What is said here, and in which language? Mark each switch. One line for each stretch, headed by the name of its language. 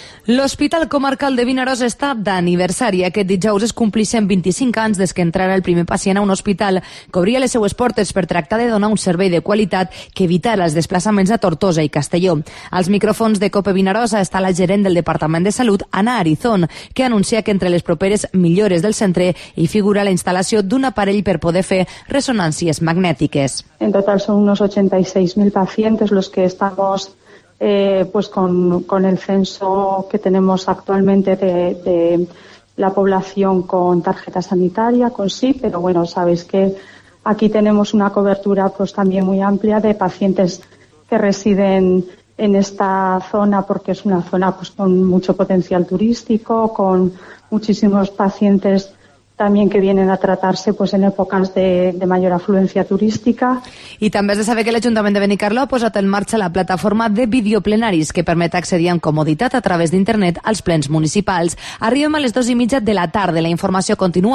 Catalan: L'Hospital Comarcal de Vinaròs està d'aniversari. Aquest dijous es complixen 25 anys des que entrara el primer pacient a un hospital que obria les seues portes per tractar de donar un servei de qualitat que evitara els desplaçaments a Tortosa i Castelló. Als micròfons de Cope Vinaròs està la gerent del Departament de Salut, Ana Arizón, que anuncia que entre les properes millores del centre hi figura la instal·lació d'un aparell per poder fer ressonàncies magnètiques. En total són uns 86.000 pacients els que estem...
Spanish: pues con el censo que tenemos actualmente de la población con tarjeta sanitaria, con sí, pero bueno, sabéis que aquí tenemos una cobertura pues también muy amplia de pacientes que residen en esta zona porque es una zona pues con mucho potencial turístico, con muchísimos pacientes también que vienen a tratarse pues en épocas de mayor afluencia turística.
Catalan: I també se sabe que l'Ajuntament de Benicarló ha posat en marxa la plataforma de videoplenaris que permet accedir amb comoditat a través d'internet als plens municipals. Arribem a les 2:30 de la tarda. La informació continua.